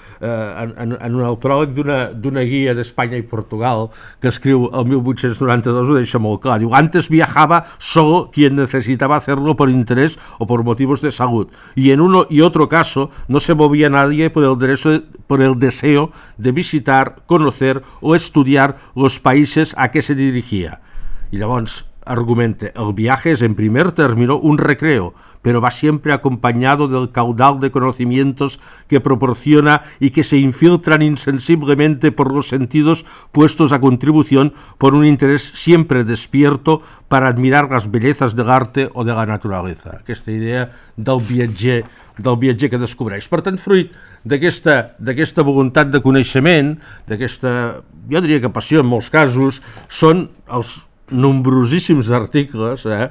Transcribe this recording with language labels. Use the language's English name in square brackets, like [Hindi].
[Catalan] En un pròleg d'una guia d'Espanya i Portugal que escriu el 1892 ho deixa molt clar. [Spanish] Diu, antes viajaba solo quien necesitaba hacerlo por interés o por motivos de salud. Y en uno y otro caso no se movía nadie por el deseo de visitar, conocer o estudiar los países a que se dirigía. [Catalan] I llavors argumenta, [Spanish] el viaje es en primer término un recreo, pero va siempre acompañado del caudal de conocimientos que proporciona y que se infiltran insensiblemente por los sentidos puestos a contribución por un interés siempre despierto para admirar las bellezas del arte o de la naturaleza. [Catalan] Aquesta idea del viatger que descobreix. Per tant, fruit d'aquesta voluntat de coneixement, d'aquesta, jo diria que passió en molts casos, són els nombrosíssims articles,